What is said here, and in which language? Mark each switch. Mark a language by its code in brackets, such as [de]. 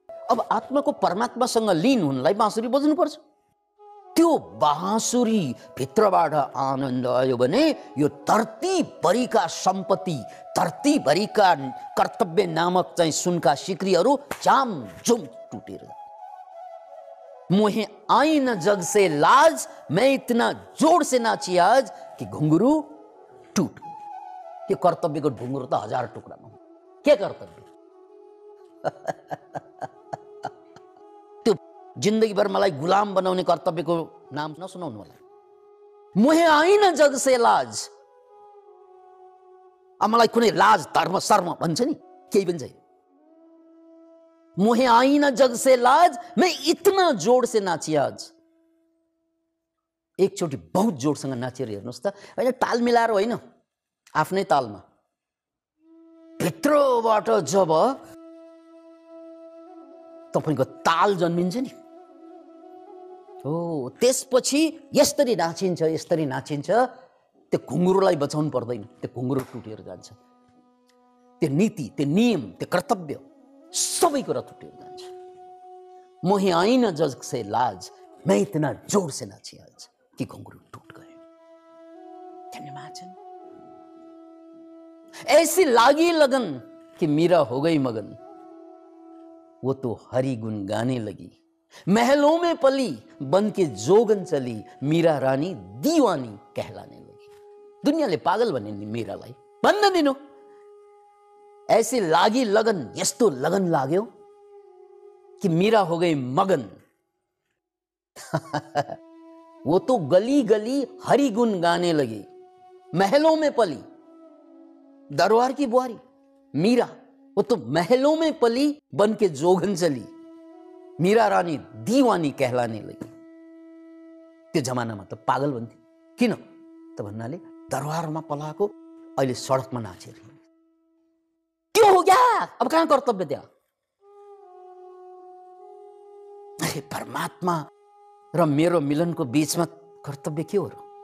[ne] अब आत्माको परमात्मासँग लिन हुनलाई बाँसुरी बज्नु पर्छ। त्यो बाँसुरी भित्रबाट आनन्द आयो भने यो धरतीभरिका सम्पत्ति, धरतीभरिका कर्तव्य नामक चाहिँ सुनका सिक्रीहरू जामजुम टुटेर जान्छ। [hi] मोहे आइन जग से लाज, मैं इतना जोड से नाची आज कि घुंगुरु टूट। [ne] यो कर्तव्यको घुंगुरु त हजार टुक्रामा हुन्छ। के कर्तव्य? त्यो जिन्दगीभर मलाई गुलाम बनाउने कर्तव्यको नाम नसुनाउनु होला। [hi] मोहे आइन जग से लाज, [ne] मलाई कुनै लाज धर्म शर्म भन्छ नि केही पनि छैन। [hi] मोहे आइन जग से लाज, मैं इतना जोड से नाची आज। [ne] एकचोटि बहुत जोडसँग नाचेर हेर्नुहोस् त, होइन ताल मिलाएर होइन आफ्नै तालमा, भित्रबाट जब तपाईँको ताल जन्मिन्छ नि हो, त्यसपछि यसरी नाचिन्छ यसरी नाचिन्छ। त्यो घुङ्रुलाई बचाउनु पर्दैन, त्यो घुङ्रु टुटेर जान्छ। त्यो नीति, त्यो नियम, त्यो कर्तव्य सबै कुरा टुटेर जान्छ। [hi] मोहे आइन जग से लाज, मै इतना जोड से नाची आज कि घुङ्रु टुट गए। ऐसी लागी लगन कि मीरा हो गई मगन, वो तो हरी गुन गाने लगी। महलों में पली बन के जोगन चली, मीरा रानी दीवानी कहलाने लगी। [ne] दुनियाले पागल बने मीरालाई भन्न दिनु। [hi] ऐसी लागी लगन, [ne] यस्तो लगन लाग्यो [hi] कि मीरा हो गई मगन। वो तो गली गली हरी गुन गाने लगी। महलों में पली दरबार की बुहारी मीरा, वो तो महलों में पली बन के जोगन चली, मीरा रानी दीवानी कहलाने लगी। [ne] त्यो जमानामा त पागल बन्थ्यो, किन त भन्नाले दरबारमा पलाएको अहिले सडकमा नाचे। त्यो हो क्या? अब कहाँ कर्तव्य त्यहाँ? अरे परमात्मा र मेरो मिलनको बीचमा कर्तव्य के हो र?